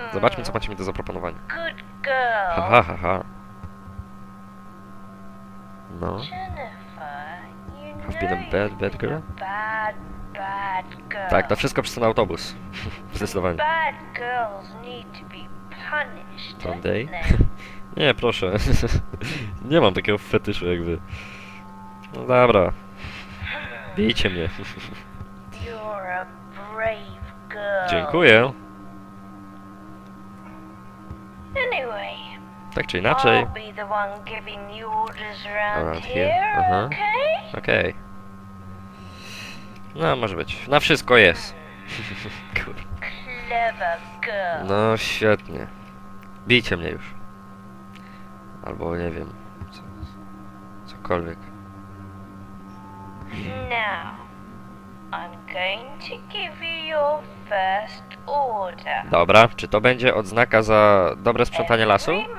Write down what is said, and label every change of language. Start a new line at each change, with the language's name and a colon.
Polish: Zobaczmy, co macie mi do zaproponowania.
English: Good girl. Ha, ha, ha, ha.
Polish: No.
English: Jennifer, have been a bad, bad girl? Bad, bad girl.
Polish: Tak, to wszystko przez ten autobus. Zdecydowanie.
English: Bad girls need to be punished. Someday?
Polish: Nie, proszę. Nie mam takiego fetyszu jak wy. No dobra. Bijcie mnie.
English: You're a brave girl.
Polish: Dziękuję.
English: Anyway.
Polish: Tak czy inaczej.
English: I'll be the one giving you orders around here, okay?
Polish: Okay. No, może być. Na wszystko jest. Kur.
English: Clever girl.
Polish: No, świetnie. Bijcie mnie już. Albo nie wiem. Cokolwiek.
English: Now, I'm going to give you your first order.
Polish: Dobra, czy to będzie odznaka za dobre sprzątanie lasu?